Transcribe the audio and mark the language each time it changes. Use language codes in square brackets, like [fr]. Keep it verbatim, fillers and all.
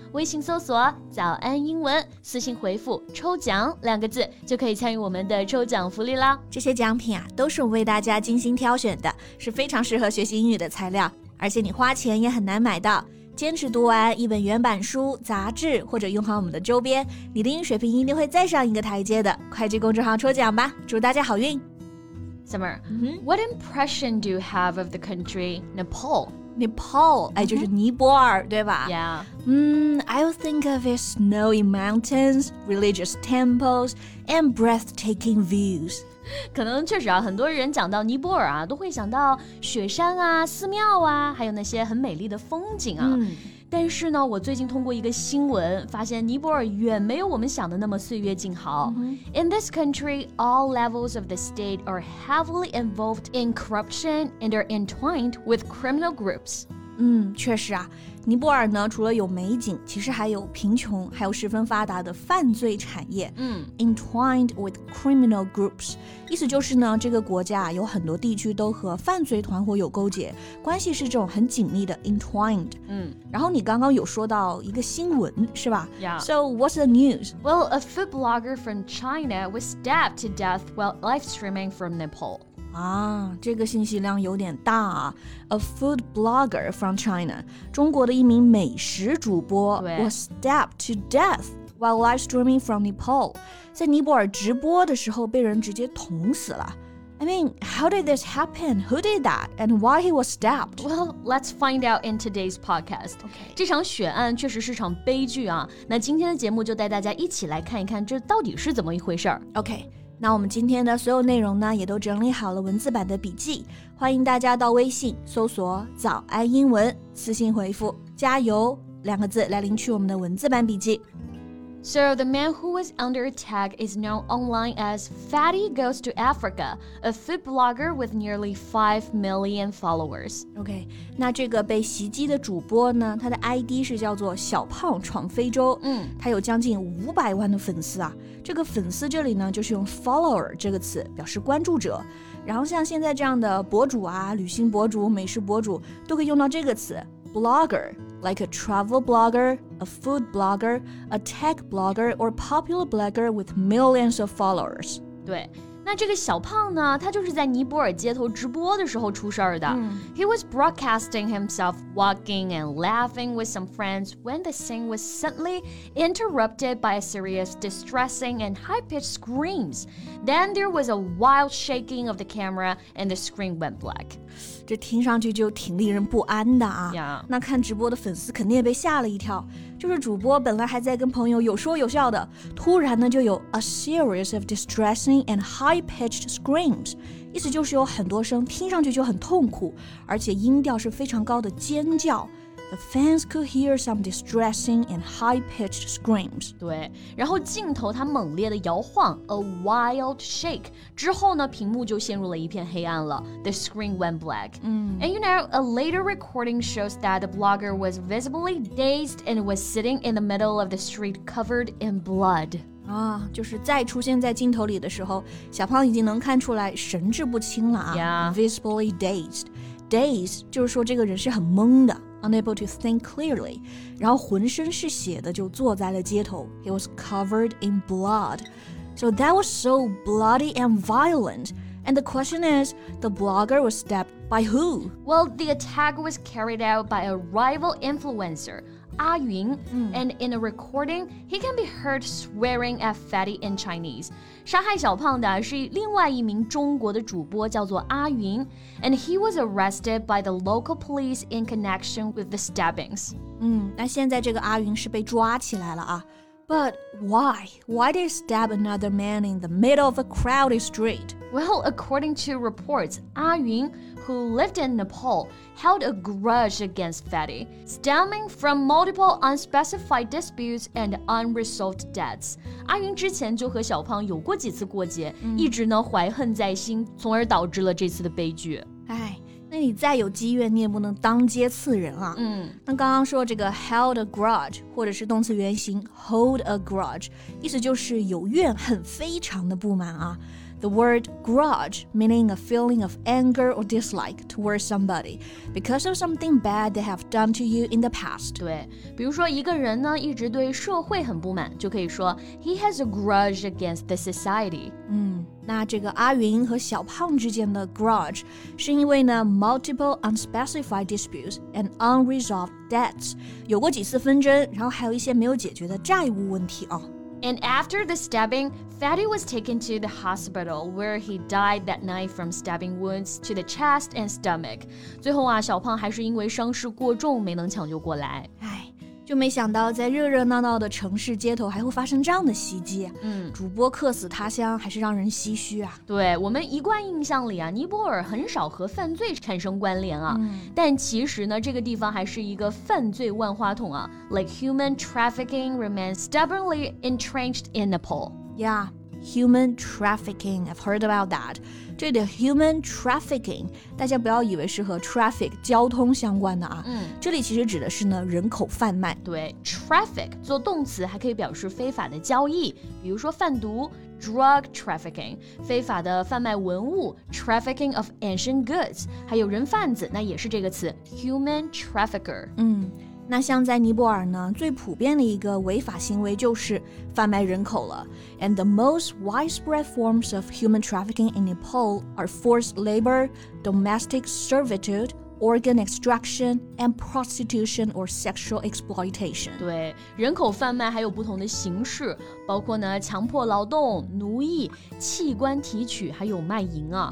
[zh] 微信搜索早安英文，私信回复抽奖两个字就可以参与我们的抽奖福利啦。这些奖品啊，都是我为大家精心挑选的，是非常适合学习英语的材料，而且你花钱也很难买到。坚持读完一本原版书、杂志，或者用好我们的周边，你的英语水平一定会再上一个台阶的。快去公众号抽奖吧，祝大家好运。 [en] Summer, mm-hmm. what impression do you have of the country Nepal? [zh] Nepal, mm-hmm. 就是尼泊尔，对吧 [en] Yeah. Mm, I'll think of its snowy mountains, religious temples, and breathtaking views. [zh] 可能确实啊，很多人讲到尼泊尔啊，都会想到雪山啊、寺庙啊，还有那些很美丽的风景啊。嗯但是呢，我最近通过一个新闻发现，尼泊尔远没有我们想的那么岁月静好。 Mm-hmm. [en] In this country, all levels of the state are heavily involved in corruption and are entwined with criminal groups. [zh] 嗯，确实啊，尼泊尔呢，除了有美景，其实还有贫穷，还有十分发达的犯罪产业。嗯， [en] entwined with criminal groups， [zh] 意思就是呢，这个国家有很多地区都和犯罪团伙有勾结，关系是这种很紧密的 entwined。嗯，然后你刚刚有说到一个新闻，是吧 [en] Yeah. So what's the news? Well, a food blogger from China was stabbed to death while live streaming from Nepal. [zh] 啊，这个信息量有点大啊 [en] A food blogger from China [zh] 中国的一名美食主播 [en] was stabbed to death while live streaming from Nepal [zh] 在尼泊尔直播的时候被人直接捅死了 [en] I mean, how did this happen? Who did that? And why he was stabbed? Well, let's find out in today's podcast. Okay. [zh] 这场血案确实是场悲剧啊那今天的节目就带大家一起来看一看这到底是怎么一回事 OK那我们今天的所有内容呢，也都整理好了文字版的笔记，欢迎大家到微信搜索“早安英文”，私信回复“加油”两个字来领取我们的文字版笔记。 [en] So the man who was under attack is known online as Fatty Goes to Africa, a food blogger with nearly five million followers. [zh] OK, 那这个被袭击的主播呢，他的 I D 是叫做小胖闯非洲，嗯，他有将近五百万的粉丝啊。这个粉丝这里呢，就是用 follower 这个词表示关注者。然后像现在这样的博主啊，旅行博主、美食博主都可以用到这个词 blogger. [en] Like a travel blogger, a food blogger, a tech blogger, or popular blogger with millions of followers. [zh] 对，那这个小胖呢，他就是在尼泊尔街头直播的时候出事的。嗯。 [en] He was broadcasting himself walking and laughing with some friends when the scene was suddenly interrupted by a series of distressing and high-pitched screams. Then there was a wild shaking of the camera and the screen went black. [zh] 这听上去就挺令人不安的啊 [en] yeah. [zh] 那看直播的粉丝肯定也被吓了一跳就是主播本来还在跟朋友有说有笑的突然呢就有 [en] a series of distressing and high-pitched screams [zh] 意思就是有很多声听上去就很痛苦而且音调是非常高的尖叫 [en] The fans could hear some distressing and high-pitched screams. [zh] 对，然后镜头它猛烈的摇晃 ， [en] a wild shake. [zh] 之后呢，屏幕就陷入了一片黑暗了 ， [en] the screen went black. 嗯 And you know, a later recording shows that the blogger was visibly dazed and was sitting in the middle of the street covered in blood. [zh] 啊，就是再出现在镜头里的时候，小胖已经能看出来神志不清了啊 [en] Yeah. Visibly dazed. [zh] Dazed 就是说这个人是很懵的。 [en] Unable to think clearly, [zh] 然后浑身是血的就坐在了街头 [en] He was covered in blood. So that was so bloody and violent. And the question is, the blogger was stabbed by who? Well, the attack was carried out by a rival influencer, Ah Yun, Mm. and in a recording, he can be heard swearing at Fatty in Chinese. [zh] 杀害小胖的是另外一名中国的主播，叫做阿云 [en] ，and he was arrested by the local police in connection with the stabbings. [zh] 嗯，那现在这个阿云是被抓起来了啊。 [en] But why? Why did he stab another man in the middle of a crowded street? Well, according to reports, Ah Yun, who lived in Nepal, held a grudge against Fatty, stemming from multiple unspecified disputes and unresolved debts. [zh] Ah Yun 之前就和小胖有过几次过节，一直呢怀恨在心，从而导致了这次的悲剧。哎，那你再有积怨，你也不能当街刺人啊。嗯，那刚刚说这个 [en] held a grudge [zh] 或者是动词原形 [en] hold a grudge， [zh] 意思就是有怨恨，非常的不满啊。 [en] The word grudge meaning a feeling of anger or dislike towards somebody because of something bad they have done to you in the past. [zh] 对，比如说一个人呢一直对社会很不满，就可以说 [en] He has a grudge against the society. [zh] 嗯，那这个阿云和小胖之间的 grudge 是因为呢 [en] multiple unspecified disputes and unresolved debts [zh] 有过几次纷争，然后还有一些没有解决的债务问题哦。 [en] And after the stabbing, Fatty was taken to the hospital where he died that night from stabbing wounds to the chest and stomach. [zh] 最后啊，小胖还是因为伤势过重没能抢救过来。唉，就没想到在热热闹闹的城市街头还会发生这样的袭击。嗯，主播客死他乡还是让人唏嘘啊。对，我们一贯印象里啊，尼泊尔很少和犯罪产生关联啊。嗯，但其实呢，这个地方还是一个犯罪万花筒啊。 [en] Like human trafficking remains stubbornly entrenched in Nepal. Yeah, human trafficking. I've heard about that. [zh] 这里的 [en] human trafficking [zh] 大家不要以为是和 traffic 交通相关的啊，嗯，这里其实指的是呢人口贩卖。对 ，traffic 做动词还可以表示非法的交易，比如说贩毒 [en] （drug trafficking）、 [zh] 非法的贩卖文物 [en] （trafficking of ancient goods）， [zh] 还有人贩子，那也是这个词 [en] （human trafficker）。嗯。 [zh] 那像在尼泊尔呢，最普遍的一个违法行为就是贩卖人口了。 [en] And the most widespread forms of human trafficking in Nepal are forced labor, domestic servitude, organ extraction, and prostitution or sexual exploitation. [zh] 对，人口贩卖还有不同的形式，包括呢强迫劳动、奴役、器官提取，还有卖淫啊。